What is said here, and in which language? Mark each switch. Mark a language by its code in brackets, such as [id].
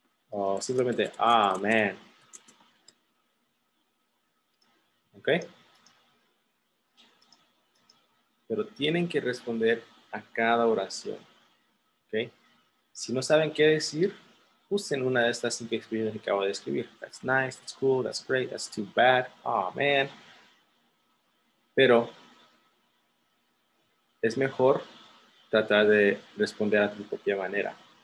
[es] O simplemente, [en] ah, man. Okay. [es] Pero tienen que responder a cada oración. Okay. Si no saben qué decir, usen una de estas 5 expresiones que acabo de escribir. [en] That's nice, that's cool, that's great, that's too bad, ah, man. [es] Pero es mejor tratar de responder a tu propia manera.